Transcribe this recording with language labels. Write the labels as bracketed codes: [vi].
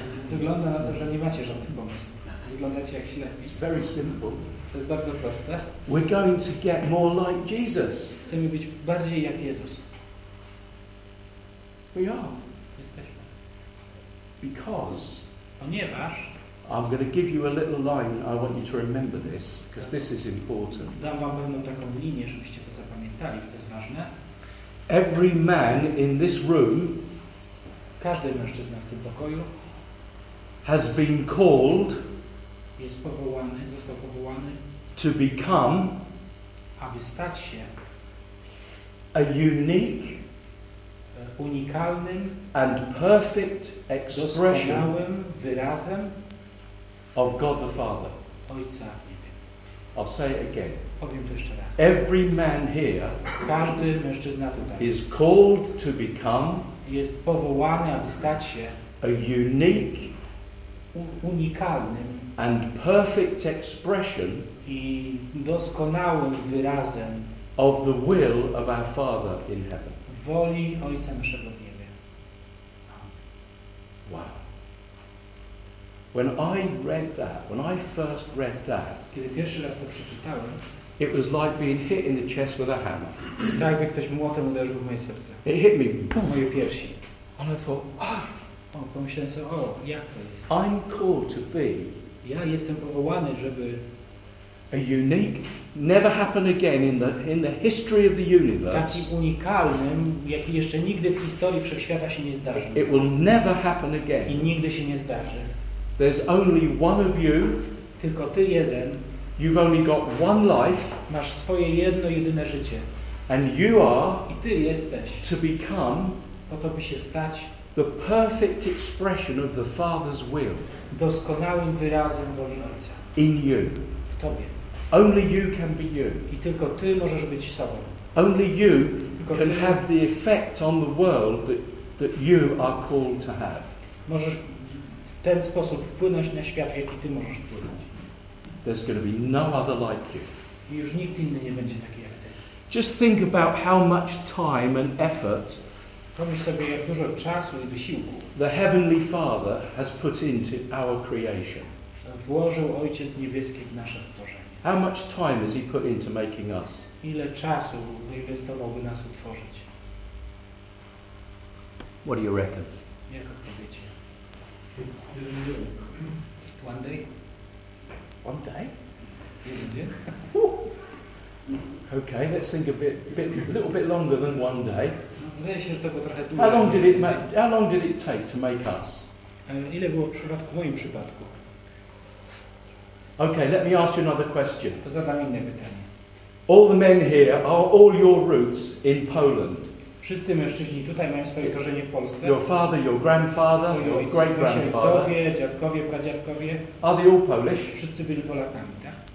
[pl] Wygląda na to, że nie macie żadnych pomysłów. Wyglądacie jak ślepi. [en] It's very simple. [pl] To jest bardzo proste. [en] We're going to get more like Jesus. [pl] Chcemy być bardziej jak Jezus. [en] We are. [pl] Jesteśmy. [en] Because. [pl] Ponieważ. [en] I'm going to give you a little line. I want you to remember this because this is important. [pl] Dam wam pewną taką linię, żebyście to zapamiętali, bo to jest ważne. [en] Every man in this room, [pl] każdy mężczyzna w tym pokoju, [en] has been called, [pl] jest powołany, został powołany, [en] to become, [pl] aby stać się, [en] a unique, [pl] unikalnym, [en] and perfect expression, [pl] doskonałym wyrazem. [en] Of God the Father. [pl] Ojca w niebie. [en] I'll say it again. [pl] Powiem to jeszcze raz. [en] Every man here, [pl] każdy mężczyzna tutaj, [en] is called to become, [pl] jest powołany, aby stać się, [en] a unique, [pl] unikalnym, [en] and perfect expression, [pl] i doskonałym wyrazem, [en] of the will of our Father in heaven. [pl] Woli Ojca naszego w niebie. [en] Wow. When I read that, when I first read that, [pl] kiedy pierwszy raz to przeczytałem, [en] it was like being hit in the chest with a hammer. [pl] Tak, jakby ktoś młotem uderzył w moje serce. [en] It hit me, [pl] moje piersi. [en] And I thought, ah, [pl] Pomyślałem sobie, o, jak to jest? [en] I'm called to be. [pl] Ja jestem powołany, żeby [en] a unique, never happen again in the history of the universe. [pl] Taki unikalnym, jaki jeszcze nigdy w historii wszechświata się nie zdarzy. [en] It will never happen again. [pl] I nigdy się nie zdarzy. [en] There's only one of you. [pl] Tylko ty jeden. [en] You've only got one life. [pl] Masz swoje jedno jedyne życie. [en] And you are. [pl] I ty jesteś. [en] To become. [pl] Po to by się stać. [en] The perfect expression of the Father's will. [pl] Doskonałym wyrazem woli Ojca. [en] In you. [pl] W tobie. [en] Only you can be you. [pl] I tylko ty możesz być sobą. [en] Only you tylko can ty have the effect on the world that you are called to have. [pl] Możesz w ten sposób wpłynąć na świat, jaki ty możesz wpłynąć. [en] There's going to be no other like you. [pl] I już nikt inny nie będzie taki jak ty. [en] Just think about how much time and effort. [pl] Pomyśl sobie, jak dużo czasu i wysiłku [en] the Heavenly Father has put into our creation. [pl] Włożył Ojciec Niebieski w nasze stworzenie. [en] How much time has he put into making us? [pl] Ile czasu zainwestowałby nas utworzyć? [en] What do you reckon? [pl] Jak odpowiecie? [en] One day? One day? [pl] Jeden dzień? [en] Okay, let's think a little bit longer than one day. [pl] Wydaje się, że to było trochę dłużej. [en] How long did it take to make us? [pl] Ile było w przypadku, w moim przypadku? [en] Okay, let me ask you another question. [pl] To zadam inne pytanie. [en] All the men here are all your roots in Poland. [pl] Wszyscy mężczyźni tutaj mają swoje korzenie w Polsce. [en] Your father, your grandfather, your great grandfather. [pl] Ojcowie, dziadkowie, pradziadkowie. [en] Are they all Polish? [pl] Wszyscy byli Polakami, tak?